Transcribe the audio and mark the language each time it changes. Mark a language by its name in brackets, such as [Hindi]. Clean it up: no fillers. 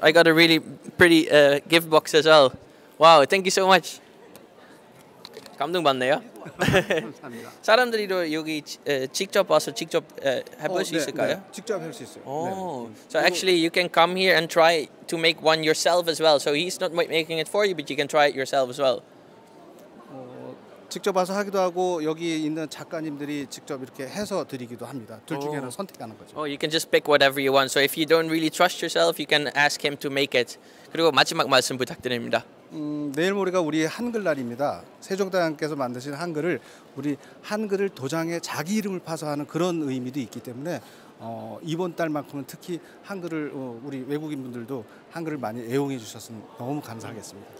[English] I got a really pretty gift box as well. Wow! Thank you so much. [Korean] 감동받네요. 감사합니다. 사람들이도 여기 직접 와서 직접 해볼 수 있을까요? 네, 직접 할 수 있어요. Oh, 네. [English] So actually you can come here and try to make one yourself as well. So he's not making it for you, but you can try it yourself as well. [Korean] 직접 와서 하기도 하고 여기 있는 작가님들이 직접 이렇게 해서 드리기도 합니다. 둘 중에 하나 선택하는 거죠. [English] Oh, you can just pick whatever you want. So if you don't really trust yourself, you can ask him to make it. [Korean] 그리고 마지막 말씀 부탁드립니다. 내일 모레가 우리 한글날입니다. 세종대왕께서 만드신 한글을 우리 한글을 도장에 자기 이름을 파서 하는 그런 의미도 있기 때문에 이번 달만큼은 특히 한글을 우리 외국인 분들도 한글을 많이 애용해 주셨으면 너무 감사하겠습니다.